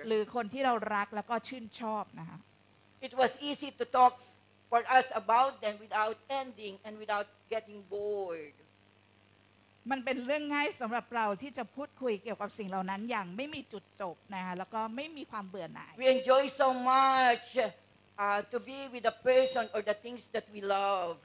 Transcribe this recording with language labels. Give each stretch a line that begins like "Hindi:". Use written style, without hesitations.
Thai: หรือคนที่เรารักแล้วก็ชื่นชอบนะฮะ
English: It was easy to talk for us about them without ending and without getting bored.
Thai: มันเป็นเรื่องง่ายสำหรับเราที่จะพูดคุยเกี่ยวกับสิ่งเหล่านั้นอย่างไม่มีจุดจบนะฮะแล้วก็ไม่มีความเบื่อหน่าย
English: We enjoy so much to be with the person or the things that we love